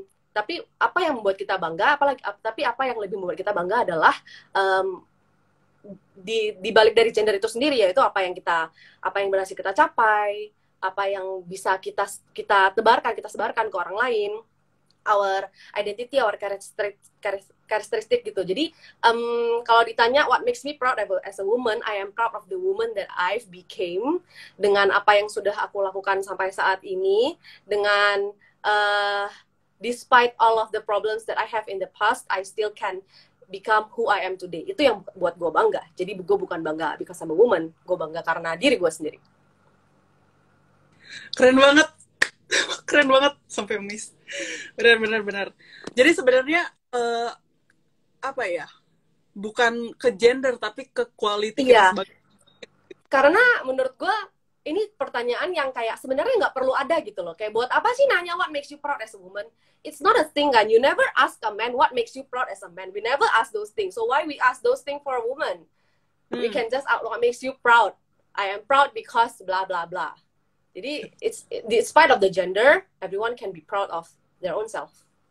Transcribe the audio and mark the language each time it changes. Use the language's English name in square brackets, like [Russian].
[Indonesian] Tapi apa yang membuat kita bangga, apalagi tapi apa yang lebih membuat kita bangga adalah di balik dari gender itu sendiri, yaitu apa yang berhasil kita capai, apa yang bisa kita kita sebarkan ke orang lain, [English] our identity, our characteristic [Indonesian] gitu. Jadi kalau ditanya [English] what makes me proud as a woman, I am proud of the woman that I've became [Indonesian] dengan apa yang sudah aku lakukan sampai saat ini, [English] dengan despite all of the problems that I have in the past, I still can become who I am today. [Indonesian] Itu yang buat gue bangga. Jadi gue bukan bangga [English] because I'm a woman, [Indonesian] gue bangga karena diri gue sendiri. Keren banget. Keren banget. Sampai miss. Benar. Jadi sebenarnya, apa ya, bukan ke gender, tapi ke quality. Iya. Karena menurut gue, ini pertanyaan yang kayak sebenarnya nggak perlu ada gitu loh. Kayak buat apa sih nanya [English] what makes you proud as a woman? It's not a thing kan. You never ask a man what makes you proud as a man. We never ask those things. So why we ask those things for a woman? We can just ask what makes you proud. I am proud because blah blah blah. [Indonesian] Jadi [English] it's despite of the gender, everyone can be proud of their own self.